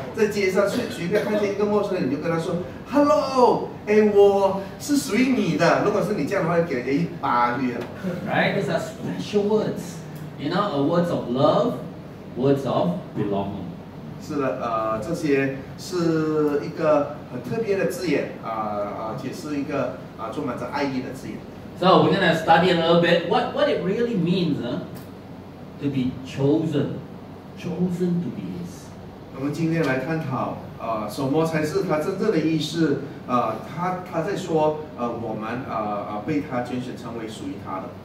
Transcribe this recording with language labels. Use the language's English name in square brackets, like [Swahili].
[Chinese] 这些话呢，你是不可能跟一个陌生人讲的。在街上随便看见一个陌生人，你就跟他说 ，Hello, 我是属于你的。如果是你这样的话，给人一巴掌。Right, [English] these are special words. You know, a words of love, words of belonging. [Chinese] 是的，这些是一个很特别的字眼，也是一个充满着爱意的字眼。 [English] So we're gonna study a little bit what it really means, to be chosen to be His. [Chinese] 我们今天来探讨，什么才是他真正的意思？他在说，我们被他拣选成为属于他的。